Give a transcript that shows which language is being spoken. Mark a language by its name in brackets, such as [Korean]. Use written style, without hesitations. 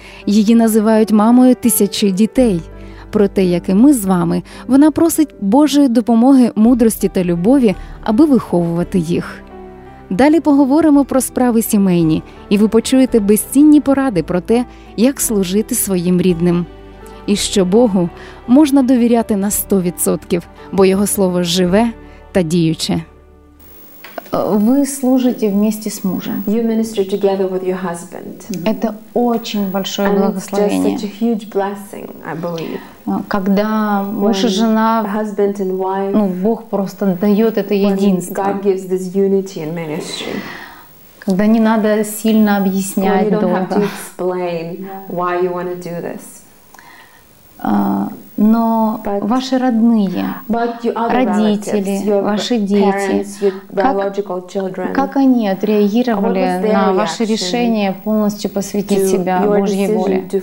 [Ukrainian] Її називають мамою тисячі дітей. Проте, як і ми з вами, вона просить Божої допомоги, мудрості та любові, аби виховувати їх. Далі поговоримо про справи сімейні, і ви почуєте безцінні поради про те, як служити своїм рідним. І що Богу можна довіряти на 100%, бо Його Слово живе та діюче. [Russian] Вы служите вместе с мужем. [English] You minister together with your husband. [Russian] Это очень большое благословение. [English] It's just such a huge blessing, I believe. [Russian] Когда муж и жена, [English] husband and wife, [Russian] ну, Бог просто дает это единство. [English] God gives this unity in ministry. [Russian] Когда не надо сильно объяснять долго. [English] You don't have to explain why you want to do this. [Russian] Но ваши родные, родители, ваши дети, как они отреагировали на ваше решение полностью посвятить себя Божьей воле?